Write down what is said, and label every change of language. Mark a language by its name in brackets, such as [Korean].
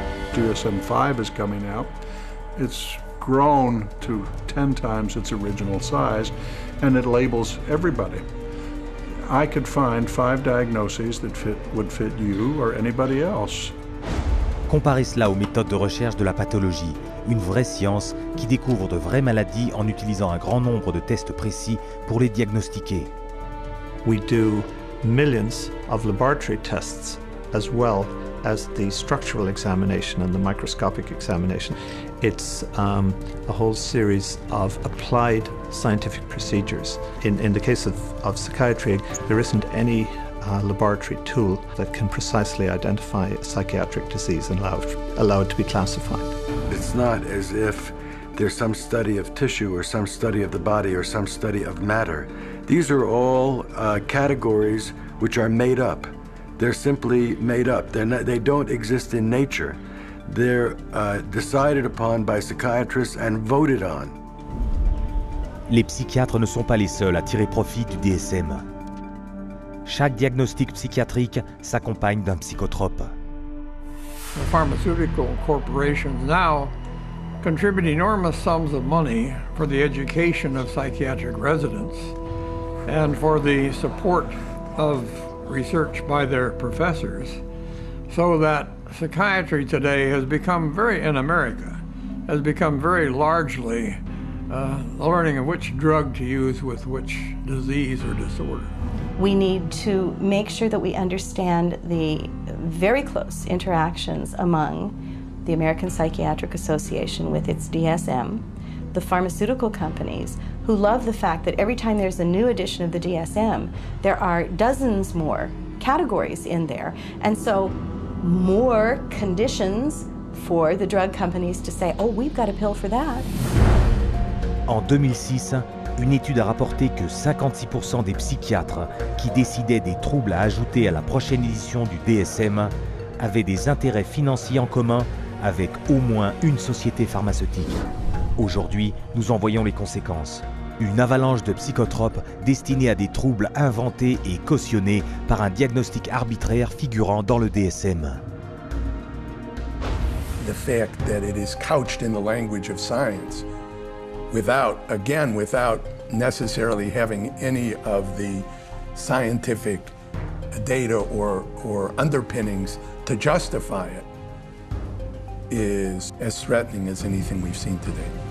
[English] DSM-5 is coming out. It's grown to 10 times its original size, and it labels everybody. I could find 5 diagnoses that would fit you or anybody else. [French] Comparez cela aux méthodes de recherche de la pathologie, une vraie science qui découvre de vraies maladies en utilisant un grand nombre de tests précis pour les diagnostiquer. [English] We do millions of laboratory tests as well as the structural examination and the microscopic examination. It's a whole series of applied scientific procedures. In the case of psychiatry, there isn't any laboratory tool that can precisely identify a psychiatric disease and allow it to be classified. It's not as if there's some study of tissue or some study of the body or some study of matter. These are all categories which are made up. They're simply made up. They don't exist in nature. They're decided upon by psychiatrists and voted on. [French] Les psychiatres ne sont pas les seuls à tirer profit du DSM. Chaque diagnostic psychiatrique s'accompagne d'un psychotrope. [English] The pharmaceutical corporations now contribute enormous sums of money for the education of psychiatric residents and for the support of research by their professors, so that psychiatry today has become very, in America, has become very largely the learning of which drug to use with which disease or disorder. We need to make sure that we understand the very close interactions among the American Psychiatric Association with its DSM, the pharmaceutical companies, who love the fact that every time there's a new edition of the DSM, there are dozens more categories in there. And so more conditions for the drug companies to say, oh, we've got a pill for that. [French] En 2006, une étude a rapporté que 56% des psychiatres qui décidaient des troubles à ajouter à la prochaine édition du DSM avaient des intérêts financiers en commun avec au moins une société pharmaceutique. Aujourd'hui, nous en voyons les conséquences. Une avalanche de psychotropes destinés à des troubles inventés et cautionnés par un diagnostic arbitraire figurant dans le DSM. [English] The fact that it is couched in the language of science, without, again, without necessarily having any of the scientific data or underpinnings to justify it, is as threatening as anything we've seen today.